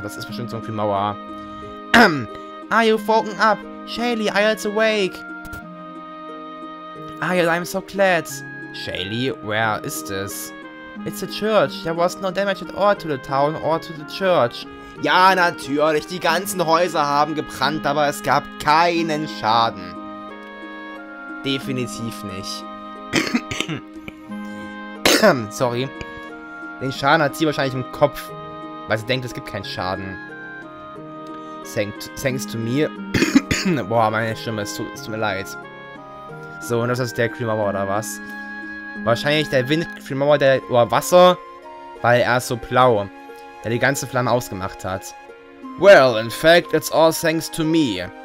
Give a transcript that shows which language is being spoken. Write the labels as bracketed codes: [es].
[de] Das ist bestimmt so ein Primaura. [en] Are you woken up? Shaylee, Isle's awake. Isle, I'm so glad. Shaylee, where is this? It's a church. There was no damage at all to the town or to the church. [de] Ja, natürlich. Die ganzen Häuser haben gebrannt, aber es gab keinen Schaden. Definitiv nicht. Sorry. Den Schaden hat sie wahrscheinlich im Kopf, weil sie denkt, es gibt keinen Schaden. [en] Thanks to me. [de] Boah, meine Stimme, es tut mir leid. So, und das ist der Creamower oder was? Wahrscheinlich der Wind-Creamower, der über Wasser, weil er ist so blau, der die ganze Flamme ausgemacht hat. [en] Well, in fact, it's all thanks to me.